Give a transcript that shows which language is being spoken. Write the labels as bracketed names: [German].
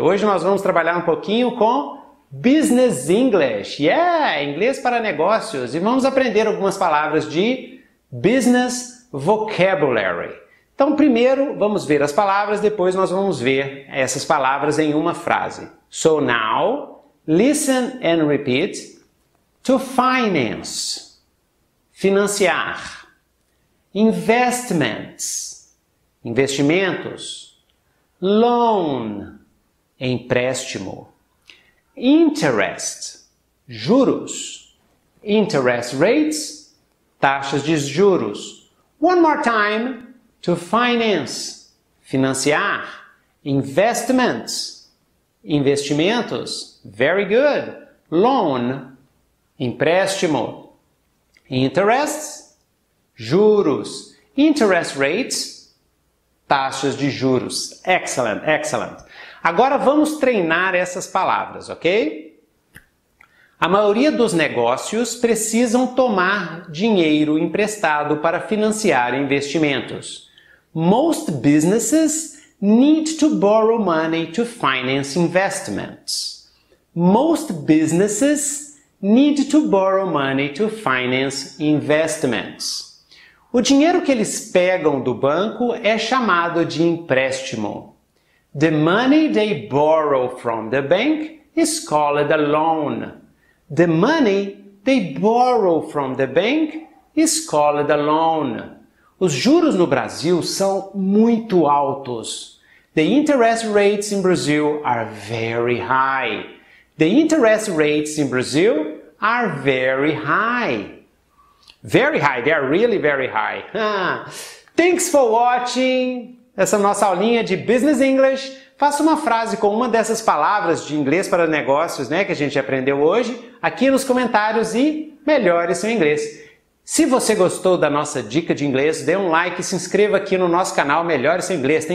[Portuguese] Hoje nós vamos trabalhar um pouquinho com Business English, yeah, inglês para negócios. E vamos aprender algumas palavras de Business Vocabulary. Então, primeiro vamos ver as palavras, depois nós vamos ver essas palavras em uma frase. [English] So now, listen and repeat. To finance, [Portuguese] financiar. [English] Investments, [Portuguese] investimentos. [English] Loan, [Portuguese] empréstimo. [English] Interest, [Portuguese] juros. [English] Interest rates, [Portuguese] taxas de juros. [English] One more time. To finance, [Portuguese] financiar. [English] Investments, [Portuguese] investimentos. [English] Very good. Loan, [Portuguese] empréstimo. [English] Interests, [Portuguese] juros. [English] Interest rates, [Portuguese] taxas de juros. [English] Excellent, excellent. [Portuguese] Agora vamos treinar essas palavras, ok? A maioria dos negócios precisam tomar dinheiro emprestado para financiar investimentos. [English] Most businesses need to borrow money to finance investments. Most businesses need to borrow money to finance investments. [Portuguese] O dinheiro que eles pegam do banco é chamado de empréstimo. [English] The money they borrow from the bank is called a loan. The money they borrow from the bank is called a loan. [Portuguese] Os juros no Brasil são muito altos. [English] The interest rates in Brazil are very high. The interest rates in Brazil are very high. Very high, they are really very high. Thanks for watching! [Portuguese] Essa nossa aulinha de [English] Business English. [Portuguese] Faça uma frase com uma dessas palavras de inglês para negócios, né, que a gente aprendeu hoje, aqui nos comentários e melhore seu inglês. Se você gostou da nossa dica de inglês, dê um like e se inscreva aqui no nosso canal Melhore Seu Inglês.